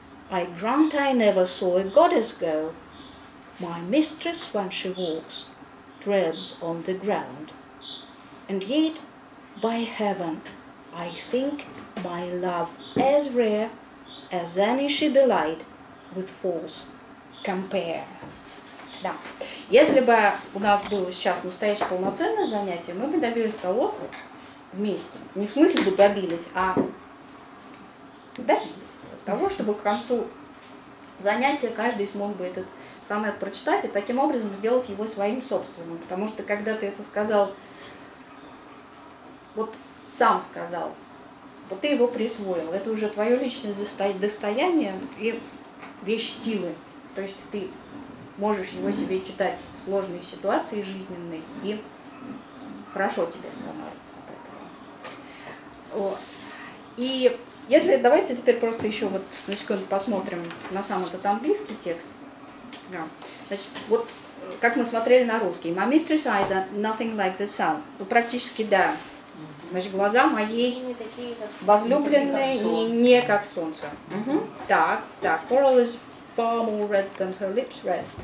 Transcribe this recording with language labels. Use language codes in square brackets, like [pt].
[en] I grant I never saw a goddess go. My mistress, when she walks, treads on the ground. And yet, by heaven, I think my love as rare as any she belied with false compare. [ru] Да. Если бы у нас было сейчас настоящее полноценное занятие, мы бы добились того вместе. Не в смысле бы добились, а того, чтобы к концу занятия каждый смог бы этот сонет прочитать и таким образом сделать его своим собственным. Потому что когда ты это сказал, вот сам сказал, вот ты его присвоил. Это уже твое личное достояние и вещь силы. То есть ты можешь его себе читать в сложной ситуации жизненной, и хорошо тебе становится от этого. Вот. И... Если давайте теперь просто еще вот на секунду посмотрим на сам этот английский текст. Да. Значит, вот как мы смотрели на русский. [en] My mistress eyes are nothing like the sun. [ru] Ну, практически да. Значит, глаза моей возлюбленные не как солнце. Так. [en] Coral is far more red than her lips red.